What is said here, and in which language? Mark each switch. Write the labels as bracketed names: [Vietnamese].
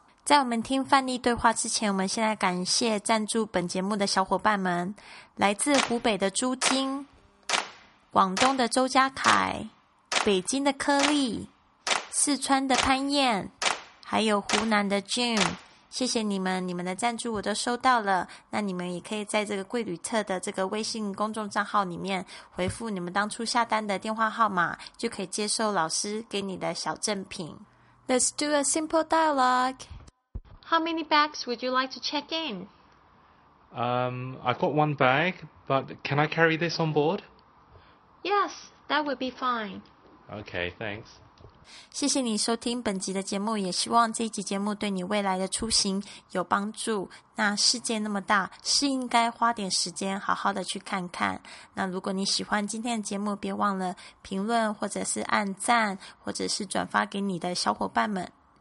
[Chinese] 在我们听范例对话之前，我们先来感谢赞助本节目的小伙伴们，来自湖北的朱金、广东的周家凯、北京的柯丽、四川的潘燕，还有湖南的 Jim， 谢谢你们，你们的赞助我都收到了。那你们也可以在这个贵旅特的这个微信公众账号里面回复你们当初下单的电话号码，就可以接受老师给你的小赠品。 [English] Let's do a simple dialogue. How many bags would you like to check in? I've got one bag, but can I carry this on board? Yes, that would be fine. Okay, thanks. [Chinese] 谢谢你收听本集的节目，也希望这一集节目对你未来的出行有帮助。那世界那么大，是应该花点时间好好的去看看。那如果你喜欢今天的节目，别忘了评论或者是按赞，或者是转发给你的小伙伴们。